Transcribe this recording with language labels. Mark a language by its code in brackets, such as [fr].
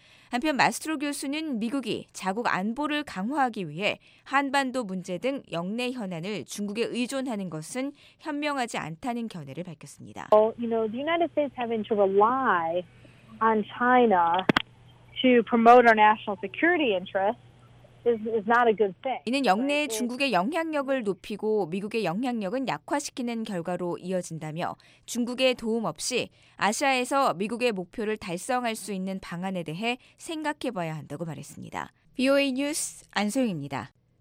[ko] 한편 마스트로 교수는 미국이 자국 안보를 강화하기 위해 한반도 문제 등 역내 현안을 중국에 의존하는 것은 현명하지 않다는 견해를 밝혔습니다. [en] The United States having to rely on China to promote our national security interests. Is not a good thing. [ko] 이는 역내 중국의 영향력을 높이고 미국의 영향력은 약화시키는 결과로 이어진다며 중국의 도움 없이 아시아에서 미국의 목표를 달성할 수 있는 방안에 대해 생각해봐야 한다고 말했습니다. VOA 뉴스 안소영입니다.